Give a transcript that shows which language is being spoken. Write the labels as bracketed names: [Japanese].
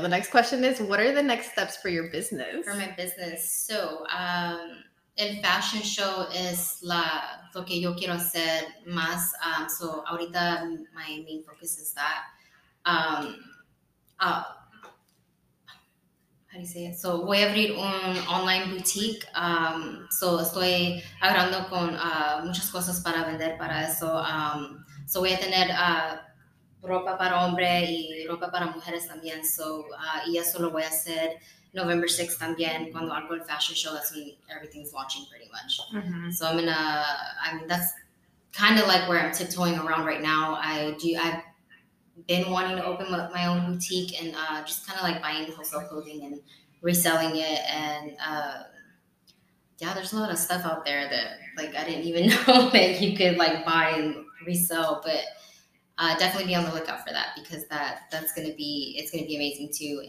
[English] The next question is, what are the next steps for your business? For my business. [Spanish] So, el fashion show es lo que yo quiero hacer más. [English] So, [Spanish] ahorita [English] my main focus is that. How do you say it? [Spanish] So, voy a abrir un online boutique. So, estoy hablando con muchas cosas para vender para eso. So, voy a tener ropa para hombre y ropa para mujeres también. So, y eso lo voy a hacer [English] November 6th [Spanish] también, cuando hago el fashion show. [English] That's when everything's launching pretty much. Mm-hmm. So, that's kind of like where I'm tiptoeing around right now. I've been wanting to open up my own boutique and just kind of like buying wholesale clothing and reselling it. And there's a lot of stuff out there that like I didn't even know that you could like buy and resell, but definitely be on the lookout for that, because that's gonna be amazing too.